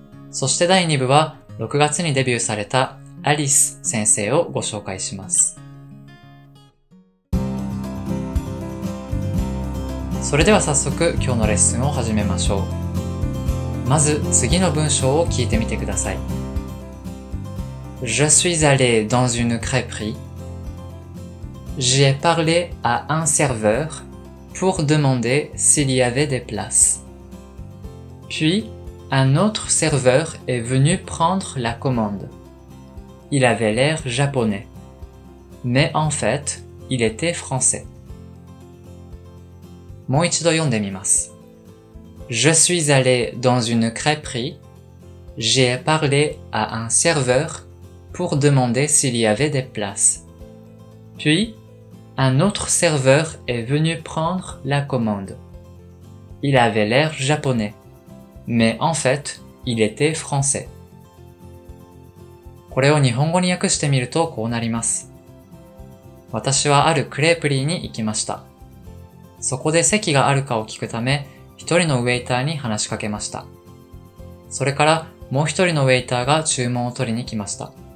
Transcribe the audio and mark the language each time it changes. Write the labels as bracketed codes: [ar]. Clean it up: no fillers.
[ja] そして第2部は6月にデビューされたアリス先生をご紹介します。それでは早速今日のレッスンを始めましょう。まず次の文章を聞いてみてください。 [fr] Je suis allé dans une crêperie. J'ai parlé à un serveur pour demander s'il y avait des places. Puis, un autre serveur est venu prendre la commande. il avait l'air japonais. Mais en fait, il était français. [ja] もう一度読んでみます。 [fr] Je suis allé dans une crêperie. J'ai parlé à un serveur pour demander s'il y avait des places. Puis, un autre serveur est venu prendre la commande. Il avait l'air japonais. Mais en fait, il était français. [ja] これを日本語に訳してみるとこうなります。私はあるクレープリーに行きました。そこで席があるかを聞くため、一人のウェイターに話しかけました。それから、もう一人のウェイターが注文を取りに来ました。